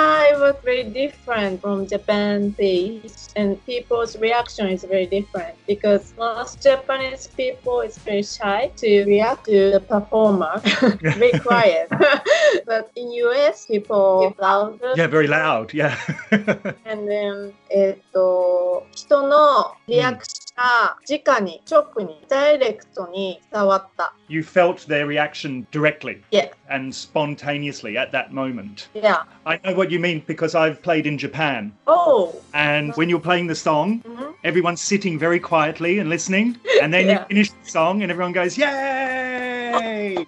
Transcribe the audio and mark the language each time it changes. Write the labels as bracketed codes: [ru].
[en] It was very different from Japan based, and people's reaction is very different because most Japanese people is very shy to react to the performer. Very quiet. But in US people get louder. Yeah, very loud, yeah. And then [ja] 人のリアクション直に、直に、ダイレクトに伝わった。 [en] You felt their reaction directly. Yeah. And spontaneously at that moment. Yeah. I know what you mean because I've played in Japan. Oh. And when you're playing the song, everyone's sitting very quietly and listening. And then you finish the song and everyone goes, yay!